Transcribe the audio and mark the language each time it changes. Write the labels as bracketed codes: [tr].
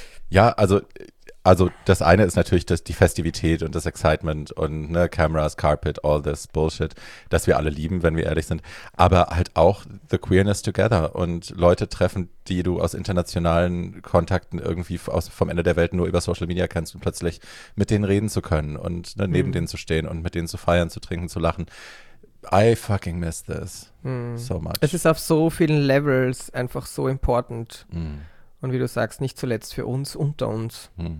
[de] Ja, also das eine ist natürlich die Festivität und das Excitement und ne, Cameras, Carpet, [en] all this Bullshit, [de] das wir alle lieben, wenn wir ehrlich sind, aber halt auch [en] the queerness together [de] und Leute treffen, die du aus internationalen Kontakten irgendwie vom Ende der Welt nur über Social Media kennst und plötzlich mit denen reden zu können und ne, neben denen zu stehen und mit denen zu feiern, zu trinken, zu lachen. [en] I fucking miss this so much. [de] Es ist auf so vielen Levels einfach so important. Und wie du sagst, nicht zuletzt für uns, unter uns.